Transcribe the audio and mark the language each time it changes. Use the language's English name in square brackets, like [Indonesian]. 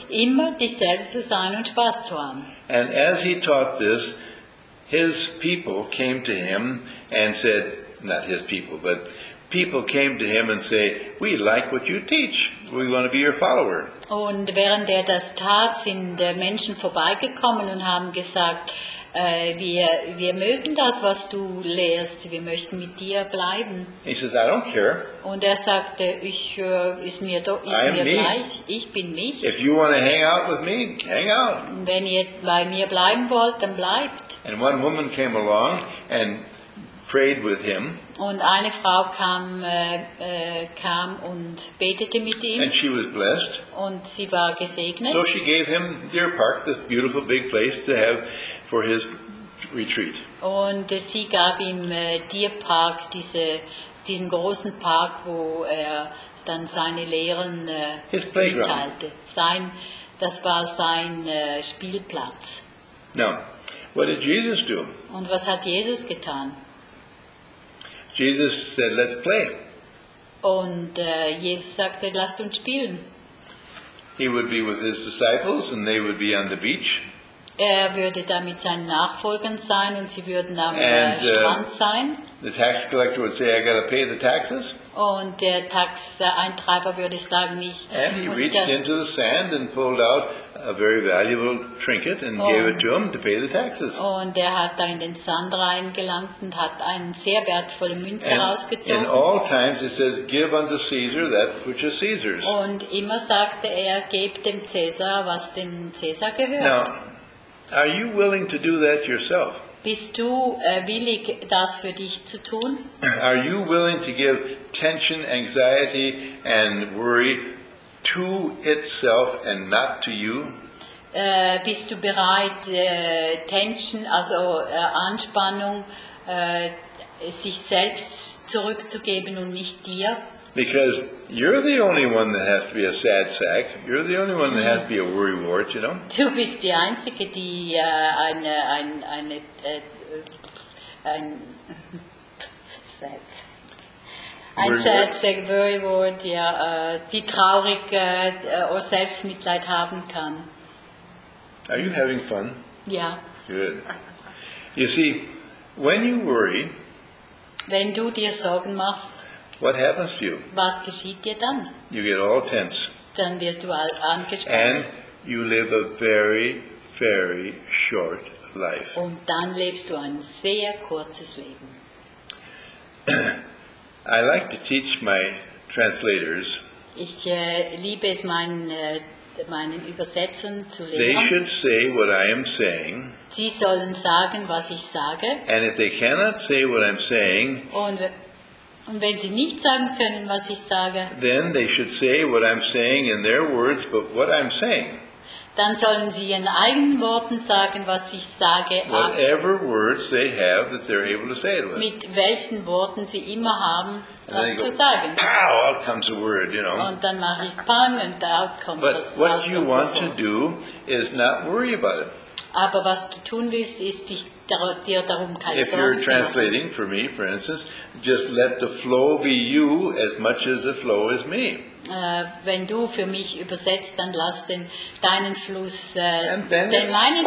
[German] Immer dich selbst zu sein und Spaß zu haben. [English] And as he taught this, his people came to him and said, not his people, but people came to him and say, we like what you teach. We want to be your follower. [German] Und während das tat, sind Menschen vorbeigekommen und haben gesagt, wir mögen das, was du lehrst. Wir möchten mit dir bleiben. [English] He says, I don't care. [German] Und sagte, gleich. Ich bin mich. [English] If you want to hang out with me, hang out. [German] Wenn ihr bei mir bleiben wollt, dann bleibt. [English] And one woman came along and prayed with him. [German] Und eine Frau kam und betete mit ihm. [English] And she was blessed. [German] Und sie war gesegnet. [English] So she gave him Deer Park, this beautiful big place to have for his retreat. [German] Und sie gab ihm Deer Park, diesen großen Park, wo er dann seine Lehren mitteilte. Das war sein Spielplatz. [English] Now, what did Jesus do? [German] Und was hat Jesus getan? [English] Jesus said, let's play. [German] Und Jesus sagte, lasst uns spielen. [English] He would be with his disciples and they would be on the beach. [German] Würde da mit seinen Nachfolgern sein, und sie würden am Strand sein. [English] The tax collector would say, I gotta pay the taxes. [German] Und der Taxeintreiber würde sagen, ich muss. [English] And he reached into the sand and pulled out a very valuable trinket and gave it to him to pay the taxes. [German] Und hat da in den Sand reingelangt und hat eine sehr wertvolle Münze rausgezogen. [English] In all times it says, give unto Caesar that which is Caesar's. [German] Und immer sagte er, gebt dem Caesar, was dem Caesar gehört. [English] Now, are you willing to do that yourself? [German] Bist du willig, das für dich zu tun? [English] Are you willing to give tension, anxiety and worry to itself and not to you? [German] Bist du bereit, Tension, also Anspannung, sich selbst zurückzugeben und nicht dir? [English] Because you're the only one that has to be a sad sack. You're the only one that has to be a worry wart, you know? [German] Du bist die Einzige, die ein [English] sad sack, worry wart, [German] die traurig oder Selbstmitleid haben kann. [English] Are you having fun? Yeah. Good. You see, when you worry, [German] wenn du dir Sorgen machst, [English] What happens to you? [German] Was geschieht dir dann? [English] You get all tense. [German] Dann wirst du all angespannt. [English] And you live a very, very short life. [German] Und dann lebst du ein sehr kurzes Leben. [English] I like to teach my translators. [German] Ich liebe es, meinen Übersetzern zu lehren. [English] They should say what I am saying. [German] Sie sollen sagen, was ich sage. [English] And if they cannot say what I'm saying. [German] Und wenn sie nicht sagen können, was ich sage. [English] Then they should say what I'm saying in their words, but what I'm saying. [German] Dann sollen sie in eigenen Worten sagen, was ich sage. [English] Whatever words they have that they're able to say it with. [German] Mit welchen Worten sie immer haben, was zu sagen. [English] Pow, out comes a word, you know. [German] Und dann mache ich Pang und da kommt [English] but [German] das Wort. [English] But what you want to do is not worry about it. [German] Aber was du tun willst, ist dich dir darum keine Sorgen zu machen. [English] If you're translating for me, for instance, just let the flow be you as much as the flow is me. [German] Wenn du für mich übersetzt, dann lass deinen Fluss, den meinen